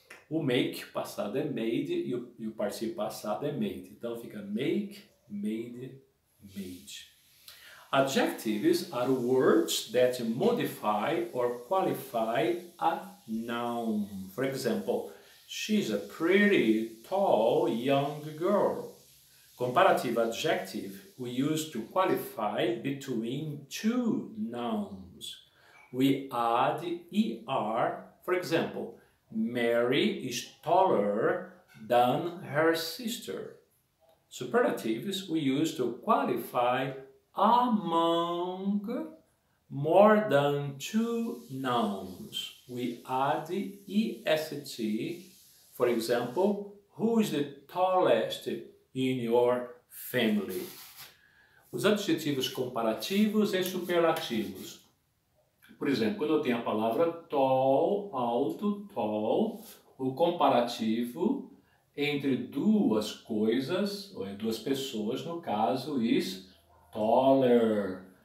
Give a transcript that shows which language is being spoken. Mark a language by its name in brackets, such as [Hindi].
[Portuguese] O make, passado é made, e o participio passado é made. Então fica make, made, made. [English] Adjectives are words that modify or qualify a noun. For example, she's a pretty tall young girl. Comparative adjective we use to qualify between two nouns. We add er, for example, Mary is taller than her sister. Superlatives we use to qualify among more than two nouns. We add est, for example, who is the tallest in your family? [Portuguese] Os adjetivos comparativos e superlativos. Por exemplo, quando eu tenho a palavra tall, alto, tall, o comparativo entre duas coisas, ou em duas pessoas, no caso, is taller.